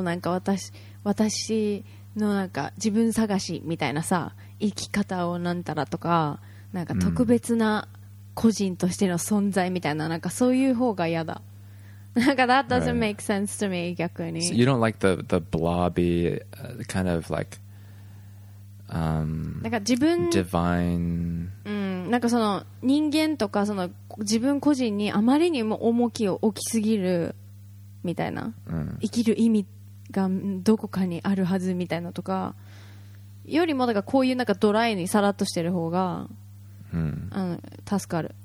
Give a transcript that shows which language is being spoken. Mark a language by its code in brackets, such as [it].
[ja] なんか私のなんか自分探しみたいなさ、生き方をなんたらとか、なんか特別な個人としての存在みたいな、なんかそういう方が嫌だ。 [en] なんか that doesn't make sense to me [ja] 逆に。 [en] So、you don't like the blobby kind of like、 [ja] なんか自分 [en] divine。 [ja] なんかその人間とかその自分個人にあまりにも重きを置きすぎるみたいな、生きる意味がどこかにあるはずみたいなとかよりも、だからこういうなんかドライにさらっとしてる方が、あの助かる